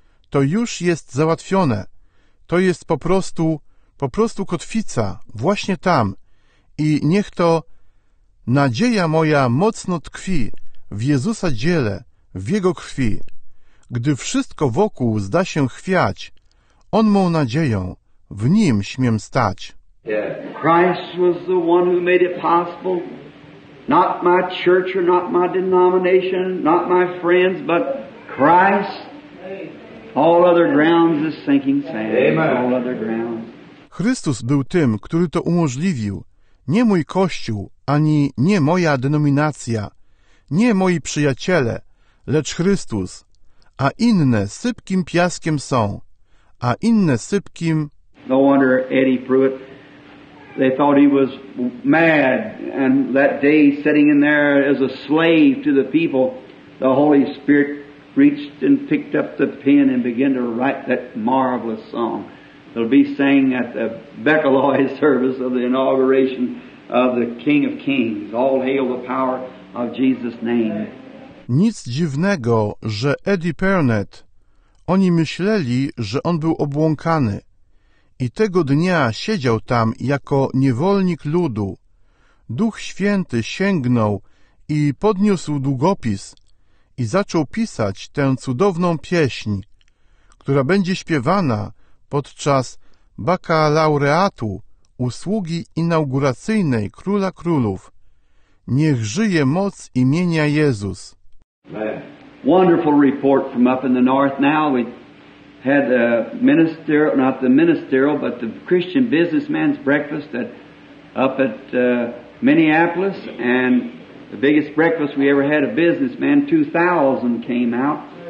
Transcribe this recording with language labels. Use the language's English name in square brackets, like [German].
[Polish] To już jest załatwione. To jest po prostu kotwica właśnie tam. I niech to nadzieja moja mocno tkwi w Jezusa dziele, w Jego krwi. Gdy wszystko wokół zda się chwiać, on mą nadzieją, w nim śmiem stać. [English] Christ was the one who made it possible. Not my church or not my denomination, not my friends, but Christ. All other grounds is sinking sand. Amen. All other grounds. [Polish] Chrystus był tym, który to umożliwił. Nie mój Kościół, ani nie moja denominacja, nie moi przyjaciele, lecz Chrystus. A inne sypkim piaskiem są, a inne sypkim... [English] No wonder Eddie Pruitt, they thought he was mad, and that day sitting in there as a slave to the people, the Holy Spirit reached and picked up the pen and began to write that marvelous song. It'll be sang at the Beccaloy service of the inauguration of the King of Kings. All hail the power of Jesus' name. [Polish] Nic dziwnego, że Eddie Pernet, oni myśleli, że on był obłąkany. I tego dnia siedział tam jako niewolnik ludu. Duch Święty sięgnął i podniósł długopis i zaczął pisać tę cudowną pieśń, która będzie śpiewana podczas bakalaureatu usługi inauguracyjnej Króla Królów. Niech żyje moc imienia Jezus. [English] Wonderful report from up in the north now. We had the minister, not the ministerial, but the Christian businessman's breakfast at, up at Minneapolis, and the biggest breakfast we ever had of businessman, 2,000 came out.